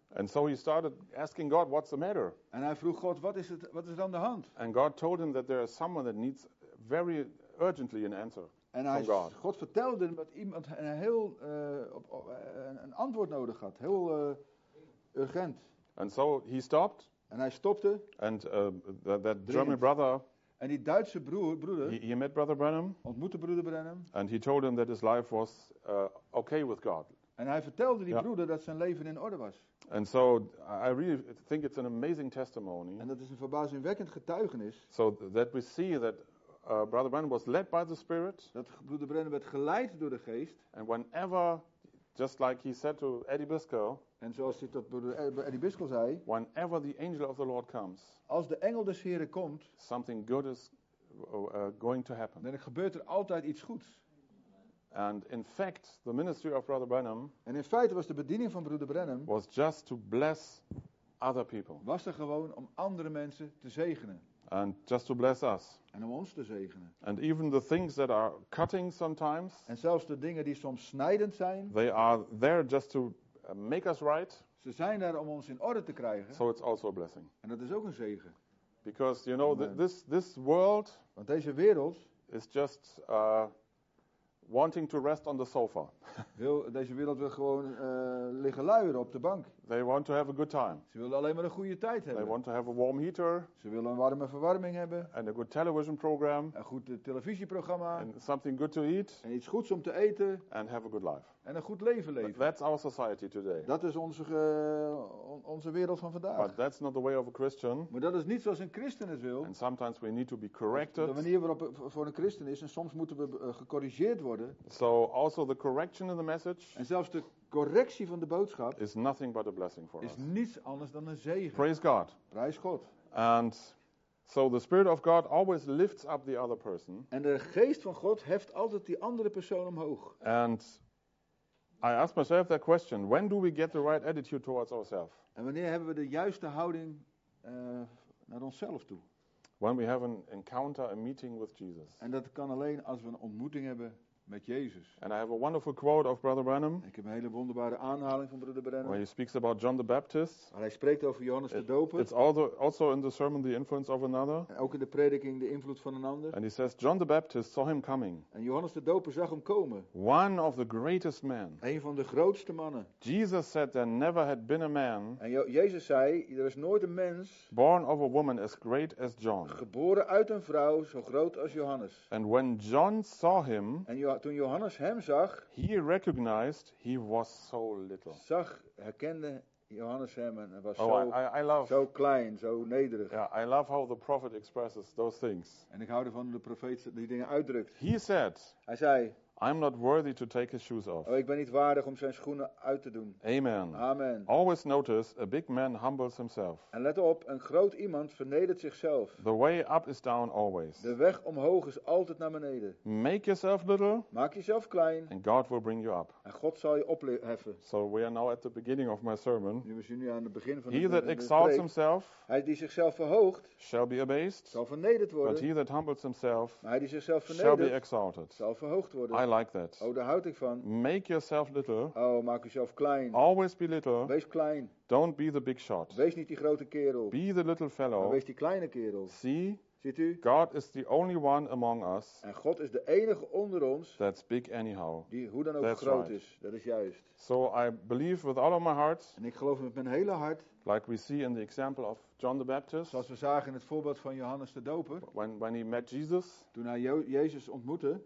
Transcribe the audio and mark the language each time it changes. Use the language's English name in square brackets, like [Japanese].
[English] And so he started asking God, what's the matter? [Dutch] En hij vroeg God, wat is er aan de hand? [English] And God told him that there is someone that needs very urgently an answer [Dutch] en [English] from God. [Dutch] En God vertelde hem dat iemand een heel een antwoord nodig had, heel urgent. [English] And so he stopped. [Dutch] En hij stopte. [English] And that German brother. [Dutch] En die Duitse broeder. [English] He met Brother Branham. [Dutch] Ontmoette Broeder Branham. [English] And he told him that his life was okay with God. [Dutch] En hij vertelde die broeder dat zijn leven in orde was. [English] And so I really think it's an amazing testimony. [Dutch] En dat is een verbazingwekkend getuigenis. [English] So that we see that Brother Branham was led by the Spirit. [Dutch] Dat Broeder Branham werd geleid door de Geest. [English] And whenever, just like he said to Eddie Biscoe. [Dutch] En zoals hij tot Broeder Eddie Biscoe zei. [English] Whenever the angel of the Lord comes. [Dutch] Als de engel des Heren komt. [English] Something good is going to happen. [Dutch] Dan gebeurt er altijd iets goeds. [English] And in fact, the ministry of Brother Branham. [Dutch] En in feite was de bediening van Broeder Branham. [English] Was just to bless other people. [Dutch] Was er gewoon om andere mensen te zegenen. [English] And just to bless us. [Dutch] En om ons te zegenen. [English] And even the things that are cutting sometimes. [Dutch] En zelfs de dingen die soms snijdend zijn. [English] They are there just to make us right. [Dutch] Ze zijn daar om ons in orde te krijgen. [English] So it's also a blessing. [Dutch] En dat is ook een zegen. [English] Because you know this world. [Dutch] Want deze wereld [English] is just wanting to rest on the sofa. [Dutch] Deze wereld wil gewoon liggen luieren op de bank. [English] They want to have a good time. [Dutch] Ze willen alleen maar een goede tijd hebben. [English] They want to have a warm heater. [Dutch] Ze willen een warme verwarming hebben. [English] And a good television program. [Dutch] Een goed televisieprogramma. [English] And something good to eat. [Dutch] En iets goeds om te eten. [English] And have a good life. [Dutch] En een goed leven leven. [English] That's our society today. [Dutch] Dat is onze wereld van vandaag. [English] But that's not the way of a Christian. [Dutch] Maar dat is niet zoals een christen het wil. [English] And sometimes we need to be corrected. [Dutch] De manier waarop voor een christen is, en soms moeten we gecorrigeerd worden. [English] So also the correction of the message. [Dutch] En zelfs de correctie van de boodschap [English] is nothing but a blessing for [Dutch] is [English] us. [Dutch] Is niets anders dan een zegen. [English] Praise God. [Dutch] Prijs God. [English] And so the Spirit of God always lifts up the other person. [Dutch] En de geest van God heft altijd die andere persoon omhoog. [English] And I ask myself that question: when do we get the right attitude towards ourselves? [Dutch] En wanneer hebben we de juiste houding naar onszelf toe? [English] When we have an encounter, a meeting with Jesus. [Dutch] En dat kan alleen als we een ontmoeting hebben met Jezus. [English] And I have a wonderful quote of Brother Branham. [Dutch] Ik heb een hele wonderbare aanhaling van Brother Branham. [English] Where he speaks about John the Baptist. [Dutch] Waar hij spreekt over Johannes de Doper. [English] It's also in the sermon, the influence of another. [Dutch] En ook in de prediking de invloed van een ander. [English] And he says, John the Baptist saw him coming. [Dutch] En Johannes de Doper zag hem komen. [English] One of the greatest men. [Dutch] Een van de grootste mannen. [English] Jesus said there never had been a man. [Dutch] En Jezus zei, er is nooit een mens. [English] Born of a woman as great as John. [Dutch] Geboren uit een vrouw zo groot als Johannes. [English] And when John saw him. [Dutch] Toen Johannes hem zag, [English] he recognized he was so little. [Dutch] Zag, herkende Johannes hem en was zo klein, zo nederig. [English] Yeah, I love how the prophet expresses those things. [Dutch] En ik hou ervan hoe de profeet die dingen uitdrukt. [English] He said, [Dutch] hij zei, [English] I'm not worthy to take his shoes off. [Dutch] Oh, ik ben niet waardig om zijn schoenen uit te doen. [English] Amen. [Dutch] Amen. [English] Always notice a big man humbles himself. [Dutch] En let op, een groot iemand vernedert zichzelf. [English] The way up is down always. [Dutch] De weg omhoog is altijd naar beneden. [English] Make yourself little. [Dutch] Maak jezelf klein. [English] And God will bring you up. [Dutch] En God zal je opheffen. [English] So we are now at the beginning of my sermon. [Dutch] Nu zijn we aan het begin van de preek. [English] He that exalts himself. [Dutch] Hij die zichzelf verhoogt. [English] Shall be abased. [Dutch] Zal vernederd worden. [English] But he that humbles himself. [Dutch] Maar hij die zichzelf vernedert. [English] Shall be exalted. [Dutch] Zal verhoogd worden. [English] I like that. [Dutch] Oh, daar houd ik van. [English] Make yourself little. [Dutch] Oh, maak jezelf klein. [English] Always be little. [Dutch] Wees klein. [English] Don't be the big shot. [Dutch] Wees niet die grote kerel. [English] Be the little fellow. [Dutch] Maar wees die kleine kerel. [English] See? [Dutch] Ziet u? [English] God is the only one among us. [Dutch] En God is de enige onder ons. [English] That's big anyhow. [Dutch] Die hoe dan ook [English] that's [Dutch] groot [English] right. [Dutch] is. Dat is juist. [English] So I believe with all of my heart. [Dutch] En ik geloof met mijn hele hart. [English] Like we see in the example of John the Baptist. [Dutch] Zoals we zagen in het voorbeeld van Johannes de Doper. [English] When he met Jesus. [Dutch] Toen hij Jezus ontmoette.